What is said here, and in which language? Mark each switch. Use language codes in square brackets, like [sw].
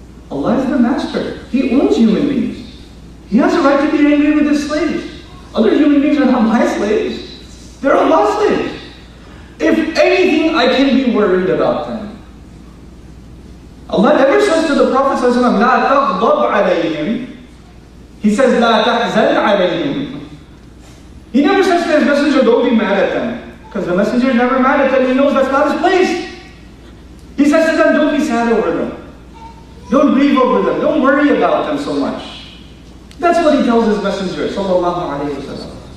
[en] Allah is the master. He owns human beings. He has a right to be angry with his slaves. Other human beings are not my slaves. They're Allah's slaves. If anything, I can be worried about them. Allah never says to the Prophet ﷺ, [ar] لَا تَغْضَبْ عَلَيْهِمْ. [en] He says, [ar] لَا تَحْزَنْ عَلَيْهِمْ. [en] He never says to his messenger, don't be mad at them. Because the messenger is never mad at them, he knows that's not his place. He says to them, don't be sad over them. Don't grieve over them. Don't worry about them so much. That's what he tells his messenger, sallallahu alayhi wa sallam.